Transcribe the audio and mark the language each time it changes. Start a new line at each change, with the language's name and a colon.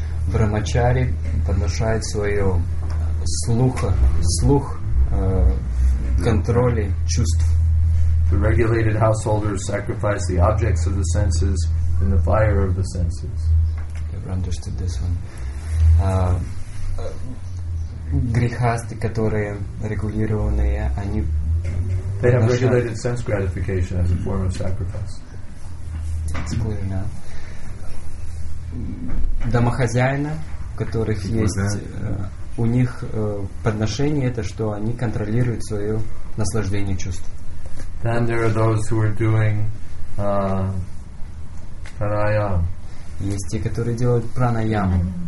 Russian: Брахмачари подношают свое слух контроле чувств.
English: The regulated householders sacrifice the objects of the senses in the fire of the senses. I understood this one.
Russian: грехасты, которые регулированные, они...
English: They have regulated sense gratification as a form of sacrifice. That's clear now.
Russian: Домохозяина, у которых есть, у них подношение, это что они контролируют свое наслаждение чувств.
English: Then there are those who are doing pranayam.
Russian: Есть те, которые делают пранаяму.